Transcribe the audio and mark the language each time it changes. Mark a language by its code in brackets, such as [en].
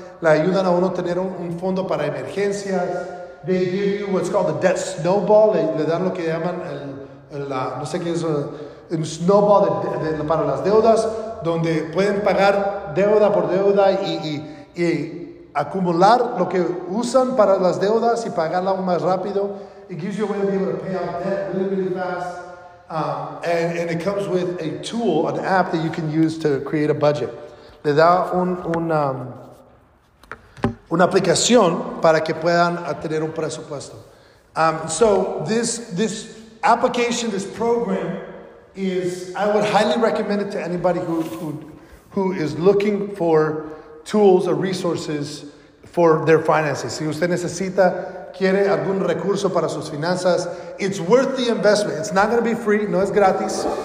[es] Le ayudan a uno a tener un fondo para emergencias. [en] They give you what's called the debt snowball. [es] Le dan lo que llaman el snowball para las deudas, donde pueden pagar deuda por deuda y acumular lo que usan para las deudas y pagarla aún más rápido. [en] It gives you a way to be able to pay off debt really, really fast. And it comes with a tool, an app that you can use to create a budget. [es] Le da una aplicación para que puedan tener un presupuesto. [en] So this application, this program is, I would highly recommend it to anybody who is looking for tools or resources for their finances. [es] Si usted necesita, quiere algún recurso para sus finanzas, [en] it's worth the investment. It's not going to be free. [es] No es gratis.